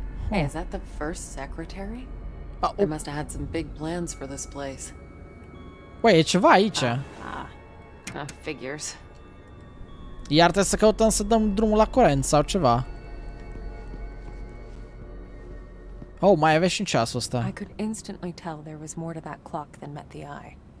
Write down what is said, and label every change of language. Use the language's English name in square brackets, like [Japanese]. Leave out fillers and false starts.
[English] Hey, is that the first secretary? Oh. They must have had some big plans for this place. [Romanian] Wait, e ceva aici. [English] Figures. [Romanian] Iar trebuie să căutăm să dăm drumul la curent sau ceva. Oh, mai avea și în ceasul ăsta. [English] I could instantly tell there was more to that clock than met the eye.